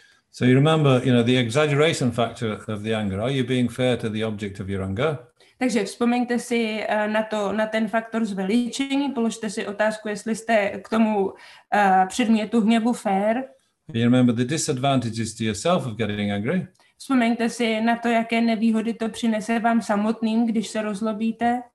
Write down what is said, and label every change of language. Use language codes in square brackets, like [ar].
[en] So you remember, you know, the exaggeration factor of the anger. Are you being fair to the object of your anger? [cs] Takže vzpomeňte si na ten faktor zveličení, položte si otázku, jestli jste k tomu předmětu hněvu fair. [en] You remember the disadvantages to yourself of getting angry? [cs] Vzpomeňte si na to, jaké nevýhody to přinese vám samotným, když se rozlobíte.